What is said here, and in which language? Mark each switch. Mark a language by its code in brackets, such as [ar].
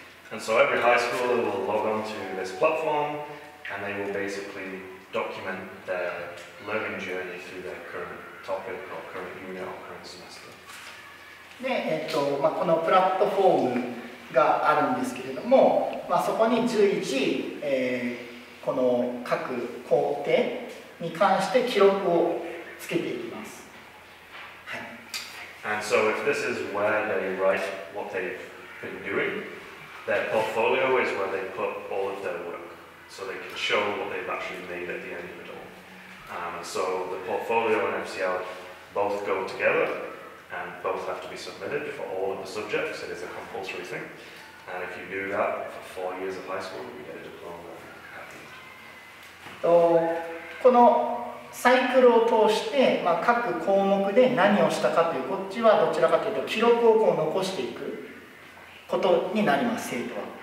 [en] And so every high schooler will log on to this platform and they will basically document their learning journey through their current topic or current unit or current semester. [ja] で、まあ、このプラットフォームがあるんですけれども、まあ、そこに随時、この各工程に関して記録をつけていきます。はい。 [en] And so if this is where they write what they've been doing,Their portfolio is where they put all of their work, so they can show what they've actually made at the end of it all. So the portfolio and MCL both go together, and both have to be submitted for all of the subjects. It is a compulsory thing. And if you do that for 4 years of high school, you get a diploma at the end. [ja] このサイクルを通して、まあ、各項目で何をしたかという、こっちはどちらかというと記録をこう残していく。ことになります生徒は。